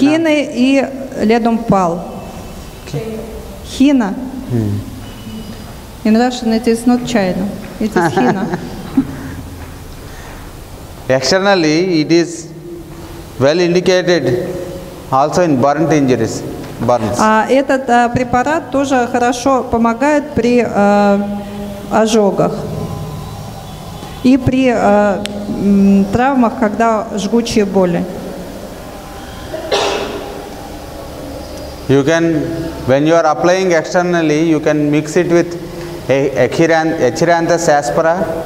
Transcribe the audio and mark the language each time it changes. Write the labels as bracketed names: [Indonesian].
[Russian] Хины и [English] lead pole. [Russian] Хина. [English] In Russian it is not China, it is Hina. Externally it is well indicated also in burnt injuries, burns. [Russian] Этот препарат тоже хорошо помогает при ожогах и при травмах, когда жгучие боли. [English] You can, when you are applying externally, you can mix it with Echiranthus aspera.